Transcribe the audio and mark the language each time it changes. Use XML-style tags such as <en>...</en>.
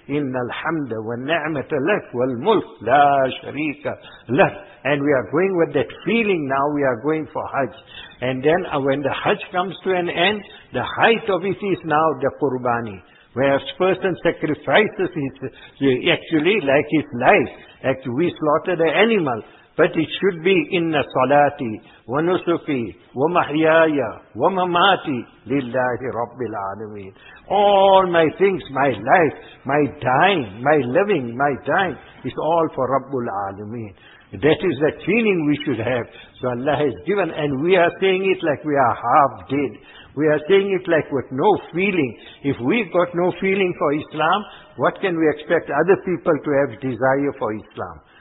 <ar>إِنَّ الْحَمْدَ وَالنَّعْمَةَ لَكْ وَالْمُلْكُ لَا شَرِيكَ لَكْ.</ar> <en>And we are going with that feeling now, we are going for Hajj. And then when the Hajj comes to an end, the height of it is now the Qurbani. Where a person sacrifices his, actually like his life. Actually, we slaughtered an animal. But it should be</en> <ar>إِنَّ صَلَاتِ وَنُسُفِ وَمَحْيَايَ وَمَمَاتِ لِلَّهِ رَبِّ الْعَالَمِينَ.</ar> <en>All my things, my life, my dying, my living, my dying, is all for Rabbul Alameen. That is the feeling we should have. So Allah has given, and we are saying it like we are half dead. We are saying it like with no feeling. If we got no feeling for Islam, what can we expect other people to have desire for Islam?</en>